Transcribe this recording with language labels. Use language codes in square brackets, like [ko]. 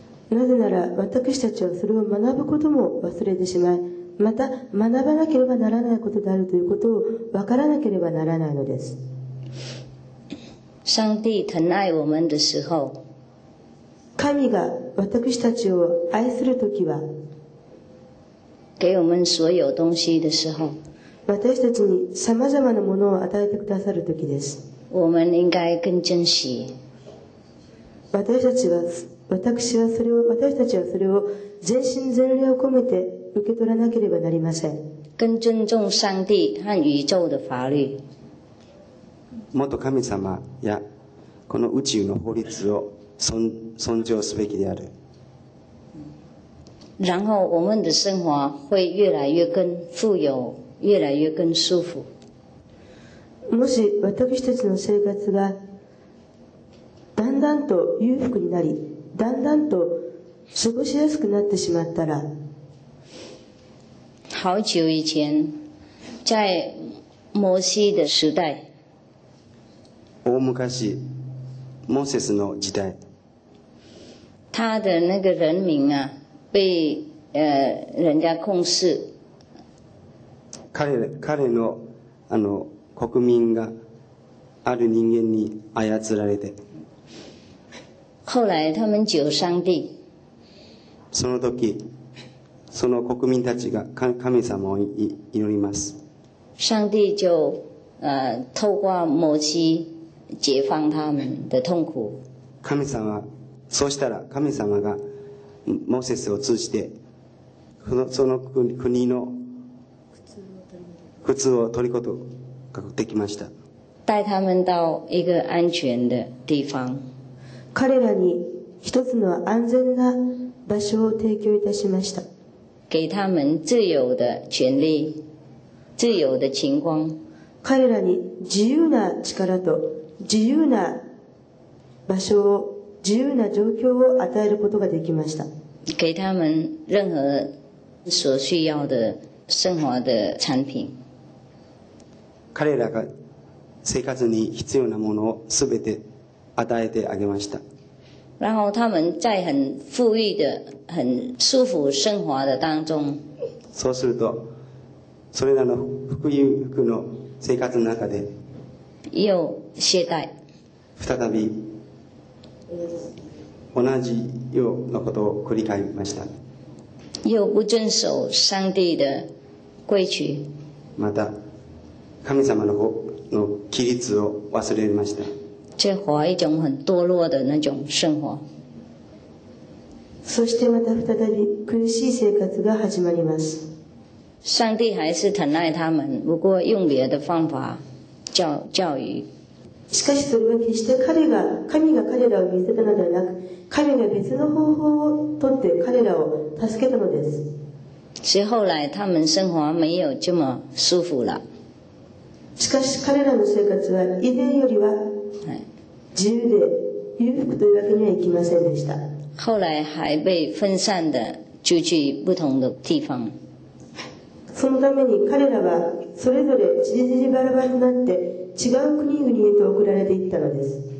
[ja] なぜなら私たちはそれを学ぶことも忘れてしまい、また学ばなければならないことであるということを分からなければならないのです。 [zh] 上帝疼爱我们的时候。 [ja] 神が私たちを愛するときは、 [zh] 给我们所有东西的时候、 [ja] 私たちにさまざまなものを与えてくださる時です。 [zh] 我们应该更珍惜。 [ja] 私たちはそれを全身全霊を込めて受け取らなければなりません。 [zh] 更尊重上帝和宇宙的法律。 [ja] もっと神様やこの宇宙の法律を尊重すべきである。 [zh] 然后我们的生活会越来越更富有，越来越更舒服。 [ja] もし私たちの生活がだんだんと裕福になり、だんだんと過ごしやすくなってしまったら、 [zh] 好久以前，在摩西的时代， [ja] 大昔モーセスの時代， [zh] 他的那个人民啊，被人家控制。 [ja] 彼の、あの、国民がある人間に操られて。 [zh] 后来他们求上帝。 [ja] その時、その国民たちが神様を祈ります。 [zh] 上帝就透过摩西解放他们的痛苦。 [ja] 神様、そうしたら神様がモーセスを通じて、その国の苦痛を取ることができました。 [zh] 带他们到一个安全的地方。 [ja] 彼らに一つの安全な場所を提供いたしました。 [zh] 给他们自由的权利，自由的情况。 [ja] 彼らに自由な力と自由な場所を、自由な状況を与えることができました。 [zh] 给他们任何所需要的生活的产品。 [ja] 彼らが生活に必要なものをすべて与えてあげました。 [zh] 然后他们在很富裕的、很舒服生活的当中。 [ja] そうすると、それらの富裕服の生活の中で、 [zh] 又懈怠。 [ja] 再び同じようなことを繰り返しました。 [zh] 又不遵守上帝的规矩。 [ja] また神様の規律を忘れました。 [zh] 这活一种很堕落的那种生活。 [ja] そしてまた再び苦しい生活が始まります。 [zh] 上帝还是疼爱他们，不过用别的方法教育。 [ja] しかしそれは決して神が彼らを見捨てたのではなく、神が別の方法を取って彼らを助けたのです。 [zh] 随后来他们生活没有这么舒服了。 [ja] しかし彼らの生活は以前よりは自由で裕福というわけにはいきませんでした。 [zh] 后来还被分散的出去不同的地方。 [ja] そのために彼らはそれぞれちりぢりバラバラになって違う国々へと送られていったのです。